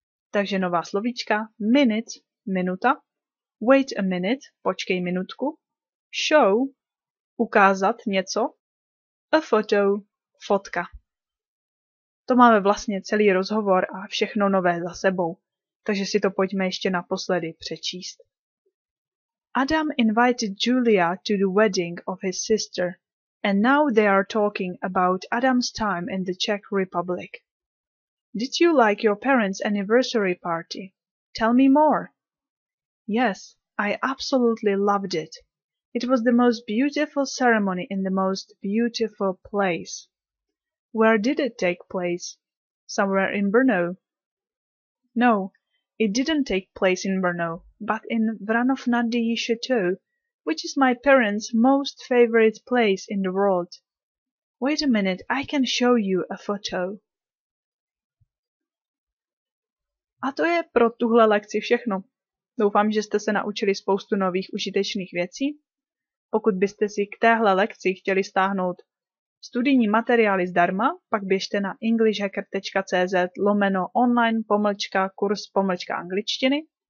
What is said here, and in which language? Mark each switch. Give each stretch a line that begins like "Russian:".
Czech: Takže nová slovíčka, minute, minuta,
English: wait a minute,
Czech: počkej minutku, show, ukázat něco, a photo, fotka. To máme vlastně celý rozhovor a všechno nové za sebou, takže si to pojďme ještě naposledy přečíst.
English: Adam invited Julia to the wedding of his sister, and now they are talking about Adam's time in the Czech Republic. Did you like your parents' anniversary party? Tell me more. Yes, I absolutely loved it. It was the most beautiful ceremony in the most beautiful place. Where did it take place? Somewhere in Brno. No, it didn't take place in Brno, but in Vranov nad Dyjí Chateau, which is my parents' most favorite place in the world. Wait a minute, I can show you a photo.
Czech: A to je pro tuhle lekci všechno. Doufám, že jste se naučili spoustu nových užitečných věcí. Pokud byste si k téhle lekci chtěli stáhnout studijní materiály zdarma, pak běžte na englishhacker.cz/online-kurs-angličtiny.